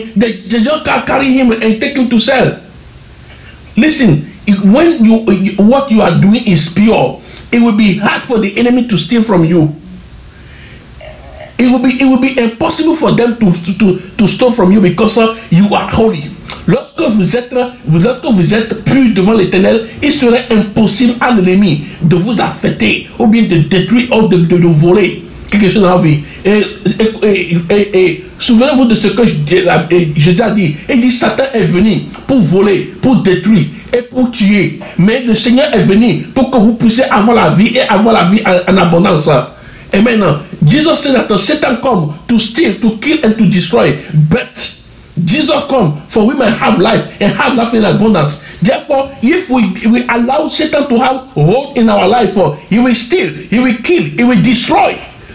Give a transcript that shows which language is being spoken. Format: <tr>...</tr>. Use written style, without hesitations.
<en>They just carry him and take him to cell. Listen, when you what you are doing is pure, it will be hard for the enemy to steal from you. It will be impossible for them to steal from you because you are holy.</en> <fr>Lorsque vous êtes pur devant l'Éternel, il serait impossible à l'ennemi de vous affecter ou bien de détruire ou de voler quelque chose dans la vie. Et souvenez-vous de ce que Jésus a dit. Il dit, Satan est venu pour voler, pour détruire et pour tuer. Mais le Seigneur est venu pour que vous puissiez avoir la vie et avoir la vie en abondance. Amen.</fr> <en>Jesus said that Satan come to steal, to kill, and to destroy. But Jesus come for we may have life and have life in abundance. Therefore, if we allow Satan to have hold in our life, he will steal, he will kill, he will destroy.</en>